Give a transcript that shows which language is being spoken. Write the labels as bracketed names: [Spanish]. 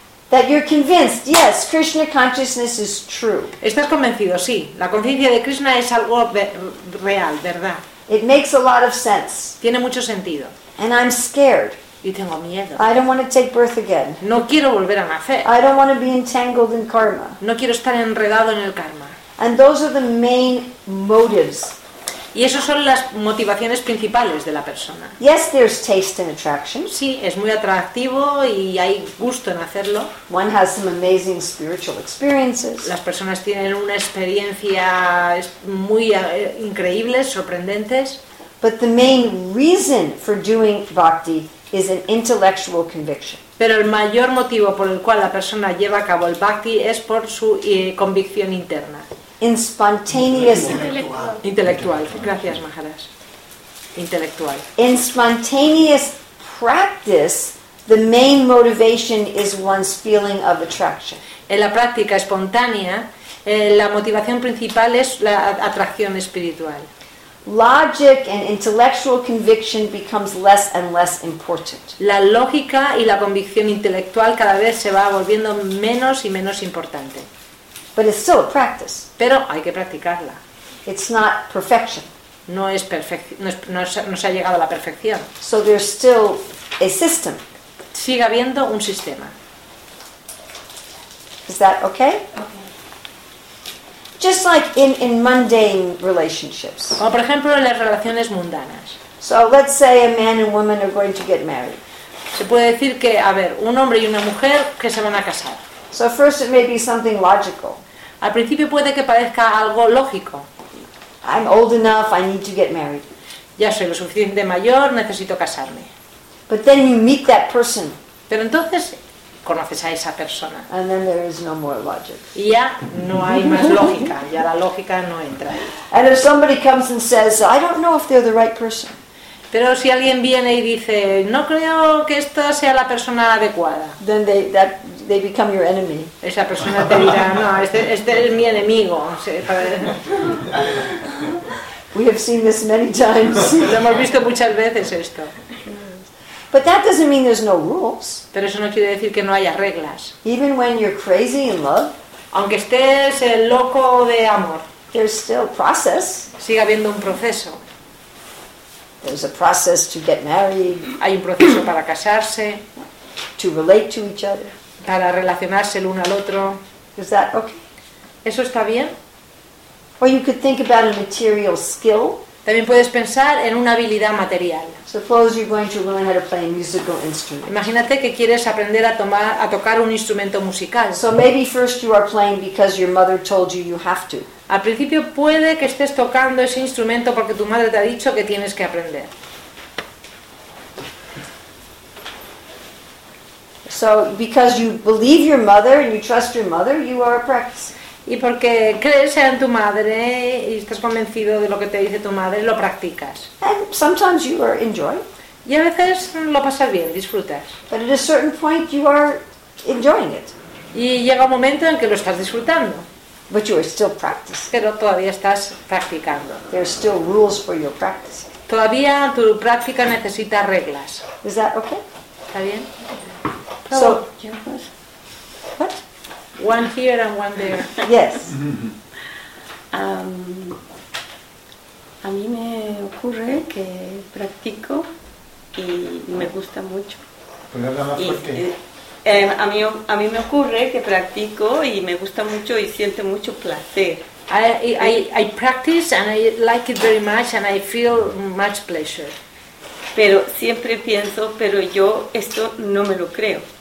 [English] That you're convinced, yes, Krishna consciousness is true. [Spanish] Estás convencido, sí. La conciencia de Krishna es algo real, verdad. [English] It makes a lot of sense. [Spanish] Tiene mucho sentido. [English] And I'm scared. [Spanish] Yo tengo miedo. [English] I don't want to take birth again. [Spanish] No quiero volver a nacer. [English] I don't want to be entangled in karma. [Spanish] No quiero estar enredado en el karma. [English] And those are the main motives. [Spanish] Y esas son las motivaciones principales de la persona. [English] Yes, there's taste and attraction. [Spanish] Sí, es muy atractivo y hay gusto en hacerlo. [English] One has some amazing spiritual experiences. [Spanish] Las personas tienen una experiencia muy increíbles, sorprendentes. [English] But the main reason for doing bhakti is an intellectual conviction. [Spanish] Pero el mayor motivo por el cual la persona lleva a cabo el bhakti es por su convicción interna. [English] In spontaneous intellectual. [Spanish] Gracias, Maharaj. [English] Intellectual. In spontaneous practice, the main motivation is one's feeling of attraction. [Spanish] en la práctica espontánea, la motivación principal es la atracción espiritual. [English] Logic and intellectual conviction becomes less and less important. [Spanish] La lógica y la convicción intelectual cada vez se va volviendo menos y menos importante. [English] But it's still a practice. [Spanish] Pero hay que practicarla. [English] It's not perfection. [Spanish] No es no se ha llegado a la perfección. [English] So there's still a system. [Spanish] Sigue habiendo un sistema. [English] Is that okay? Okay. Just like in mundane relationships. [Spanish] Como por ejemplo en las relaciones mundanas. [English] So let's say a man and woman are going to get married. [Spanish] Se puede decir que, a ver, un hombre y una mujer que se van a casar. [English] So first it may be something logical. [Spanish] Al principio puede que parezca algo lógico. [English] I'm old enough, I need to get married. [Spanish] Ya soy lo suficiente mayor, necesito casarme. [English] But then you meet that person. [Spanish] Pero entonces conoces a esa persona. [English] And then there is no more logic. [Spanish] Y ya no hay más lógica, ya la lógica no entra. [English] And if somebody comes and says, I don't know if they're the right person. [Spanish] Pero si alguien viene y dice, no creo que esta sea la persona adecuada. [English] Then they become your enemy. [Spanish] Esa persona te dirá, no, este es mi enemigo. [English] We have seen this many times. [Spanish] Lo hemos visto muchas veces esto. [English] But that doesn't mean there's no rules. [Spanish] Pero eso no quiere decir que no haya reglas. [English] Even when you're crazy in love, [Spanish] aunque estés el loco de amor, [English] there's still a process. [Spanish] Sigue habiendo un proceso. [English] There's a process to get married. [Spanish] Hay un proceso para casarse. [English] To relate to each other. [Spanish] Para relacionarse el uno al otro. [English] Is that okay? [Spanish] ¿Eso está bien? [English] Or you could think about a material skill. [Spanish] También puedes pensar en una habilidad material. [English] Suppose you're going to learn how to play a musical instrument. [Spanish] Imagínate que quieres aprender a tocar un instrumento musical. [English] So maybe first you are playing because your mother told you you have to. [Spanish] Al principio puede que estés tocando ese instrumento porque tu madre te ha dicho que tienes que aprender. [English] So because you believe your mother and you trust your mother, you are practicing. [Spanish] Y porque crees en tu madre y estás convencido de lo que te dice tu madre, lo practicas. [English] And sometimes you are enjoying. [Spanish] Y a veces lo pasas bien, disfrutas. [English] But at a certain point you are enjoying it. [Spanish] Y llega un momento en que lo estás disfrutando. [English] But you are still practicing. [Spanish] Pero todavía estás practicando. [English] There are still rules for your practice. [Spanish] Todavía tu práctica necesita reglas. [English] Is that okay? [Spanish] ¿Está bien? [English] So, what? One here and one there. Yes. [Spanish] A mí me ocurre que practico y me gusta mucho. A mí me ocurre que practico y me gusta mucho y siento mucho placer. [English] I practice and I like it very much and I feel much pleasure. [Spanish] Pero siempre pienso, pero yo esto no me lo creo.